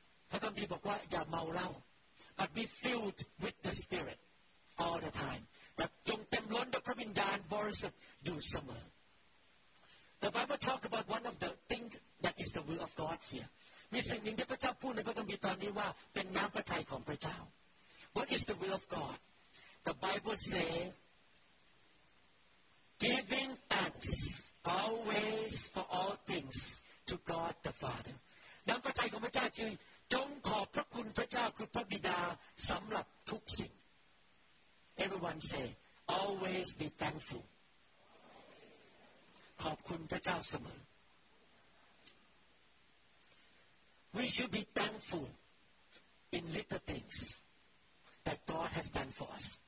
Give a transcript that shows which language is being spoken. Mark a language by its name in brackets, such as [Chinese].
[Thai] พระคัมภีร์บอกว่าอย่าเมาเหล้า [English] But be filled with the Spirit all the time. [Thai] แต่จงเต็มล้นด้วยพระวิญญาณบริสุทธิ์อยู่เสมอ [English] The Bible talk about one of the things that is the will of God here. [Thai] มีสิ่งหนึ่งที่พระเจ้าพูดในพระคัมภีร์ตอนนี้ว่าเป็นน้ำพระทัยของพระเจ้า [English] What is the will of God? The Bible say giving thanks always for all thingsTo God the Father. [Thai] น้ำพระทัยของพระเจ้าคือจงขอบพระคุณพระเจ้าคือพระบิดาสำหรับทุกสิ่ง [English] Everyone say, always be thankful. [Thai] ขอบคุณพระเจ้าเสมอ [English] We should be thankful in little things that God has done for us.